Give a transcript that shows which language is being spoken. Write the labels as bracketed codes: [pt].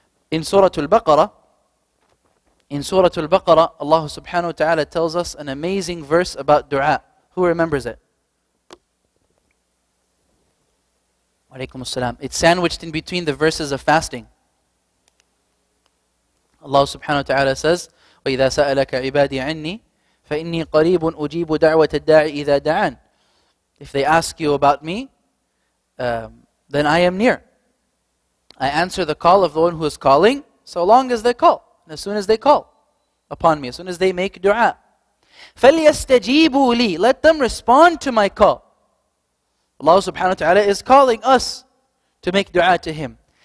[en] In Surah Al-Baqarah, Allah subhanahu wa ta'ala tells us an amazing verse about dua. Who remembers it? Walaykum as-salam. It's sandwiched in between the verses of fasting. Allah subhanahu wa ta'ala says, [ar] وَإِذَا سَأَلَكَ عِبَادِي عَنِّي فَإِنِّي قَرِيبٌ أُجِيبُ دَعْوَةَ الدَّاعِ إِذَا دَعَانِ. [en] If they ask you about me, then I am near. I answer the call of the one who is calling, so long as they call, and as soon as they call upon me, as soon as they make dua. [ar] فَلْيَسْتَجِيبُوا لِي. [en] Let them respond to my call. Allah subhanahu wa ta'ala is calling us to make dua to him.